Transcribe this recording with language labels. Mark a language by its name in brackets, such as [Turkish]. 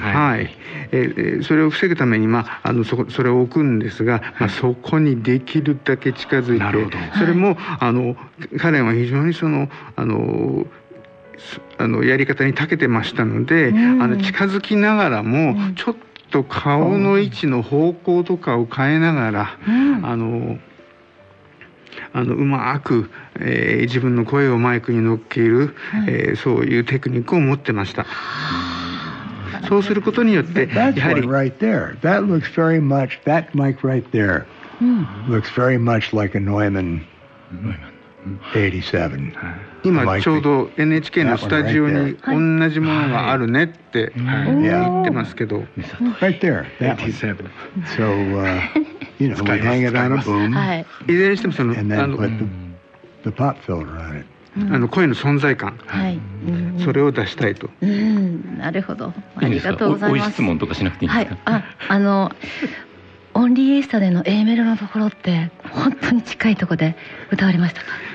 [Japanese] はい、それを防ぐために、ま、あの それを置くんですが、はい、まあ、そこにできるだけ近づいて、それも、はい、あのカレンは非常にそのあのやり方に長けてましたので、あの近づきながらもちょっと顔の位置の方向とかを変えながら、あのうまく、自分の声をマイクに乗っける、はい、そういうテクニックを持ってました。そうすることによって、やはり、 [English] right there. That looks very much, that mic right there looks very much like a Neumann 87. [Japanese] 今ちょうど NHK のスタジオに同じものがあるねって言ってますけど、 [English] right there, that one. So, you know, we hang it on a boom. [Japanese] いずれにしてもその、 [English] and then put the pop filter on it. [Japanese] あの声の存在感、それを出したいと。なるほど、ありがとうございます。おい質問とかしなくていいんですか。はい、あのオンリーイースタでの A メロのところって本当に近いところで歌われましたか。